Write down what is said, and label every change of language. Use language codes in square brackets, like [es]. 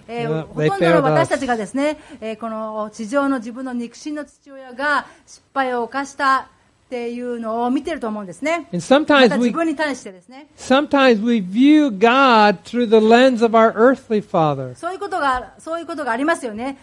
[en] They failed us. [ja] ほとんどの私たちがですね、この地上の自分の肉親の父親が失敗を犯したっていうのを見てると思うんですね。また自分に対してですね。 [en] Sometimes we view God through the lens of our earthly father. [ja] そういうことがありますよね。